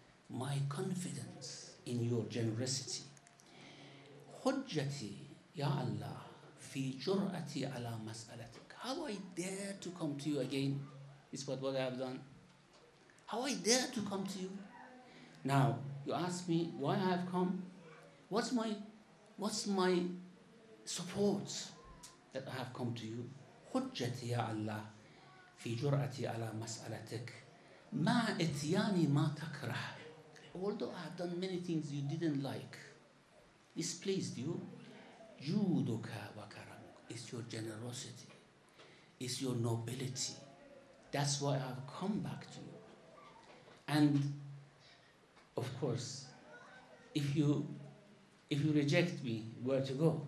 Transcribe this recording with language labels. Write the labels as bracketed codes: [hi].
[en] My confidence in your generosity. [ar] حُجَّتِي يَا اللَّهِ فِي جُرْأَتِي عَلَى مَسْأَلَتِكَ. [en] How I dare to come to you again, is what I have done. How I dare to come to you? Now, you ask me why I have come? What's my support that I have come to you? [ar] حجتي يا الله في جرأتي على مسألتك ما اتياني ما تكره. [en] Although I have done many things you didn't like, displeased you, [ar] جودك وكرمك [en] is your generosity, is your nobility. That's why I have come back to you. And of course, if you reject me, where to go?